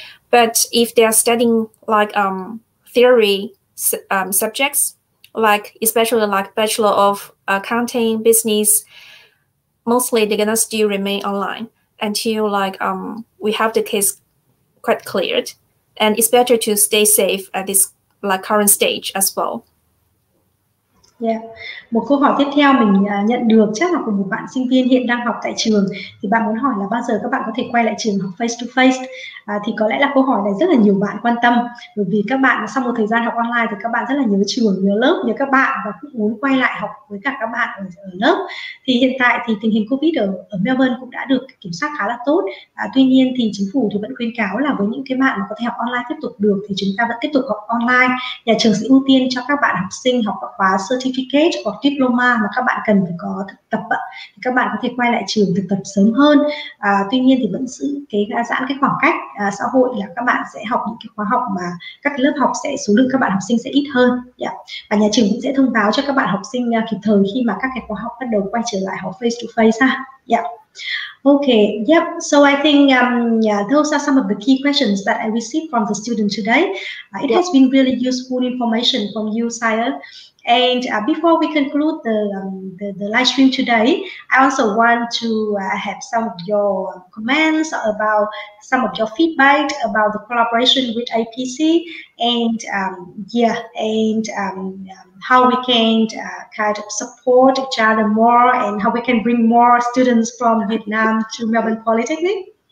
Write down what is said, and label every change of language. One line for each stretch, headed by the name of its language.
English: But if they are studying like theory, subjects, like especially like Bachelor of Accounting, Business, mostly they're gonna still remain online until like we have the case quite cleared, and it's better to stay safe at this like current stage as well. Yeah.
Vietnamese: Một câu hỏi tiếp theo mình nhận được chắc là của một bạn sinh viên hiện đang học tại trường, thì bạn muốn hỏi là bao giờ các bạn có thể quay lại trường học
English: face to face.
Vietnamese: Thì có lẽ là câu hỏi này rất là nhiều bạn quan tâm, bởi vì các bạn sau một thời gian học online thì các bạn rất là nhớ trường, nhớ lớp, nhớ các bạn và cũng muốn quay lại học với cả các bạn ở lớp. Thì hiện tại thì tình hình Covid ở Melbourne cũng đã được kiểm soát khá là tốt. Tuy nhiên thì chính phủ thì vẫn khuyến cáo là với những cái bạn mà có thể học online tiếp tục được thì chúng ta vẫn tiếp tục học online. Nhà trường sẽ ưu tiên cho các bạn học sinh học các khóa certificate hoặc diploma mà các bạn cần phải có thực tập thì các bạn có thể quay lại trường thực tập sớm hơn. Tuy nhiên thì vẫn giữ cái giãn cái khoảng cách xã hội, là các bạn sẽ học những cái khóa học mà các lớp học sẽ số lượng các bạn học sinh sẽ ít hơn. Yeah. Và nhà trường cũng sẽ thông báo cho các bạn học sinh kịp thời khi mà các cái khóa học bắt đầu quay trở lại học
English: face to face
Vietnamese: ha.
English: Yeah. Okay, yep. So I think those are some of the key questions that I received from the student today. It has been really useful information from you, Sire. And before we conclude the live stream today, I also want to have some of your comments about some of your feedback about the collaboration with IPC and how we can kind of support each other more and how we can bring more students from Vietnam to Melbourne Polytechnic.